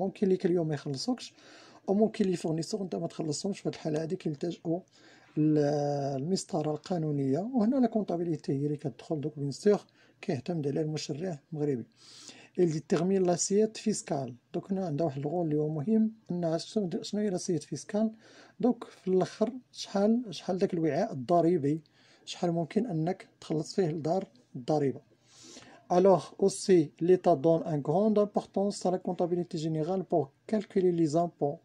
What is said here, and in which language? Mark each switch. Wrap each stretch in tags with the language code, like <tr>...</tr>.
<ar>ممكن لي كليون ما يخلصوكش او ممكن لي فورنيسور انت ما تخلصهمش، في الحاله هذه كيلتجؤوا للمسطره القانونيه، وهنا لا كونطابيليتي هي اللي كتدخل. دوك بيان سور كيعتمد عليها المشرع المغربي.</ar> <fr>Il détermine l'assiette fiscale. Donc, on a un rôle qui est important. On a l'assiette fiscale. Donc, l'autre,</fr> <ar>شحال داك الوعاء الضريبي، شحال ممكن انك تخلص فيه الدار الضريبه.</ar> <fr>Alors, aussi, l'État donne une grande importance à la comptabilité générale pour calculer les impôts.</fr>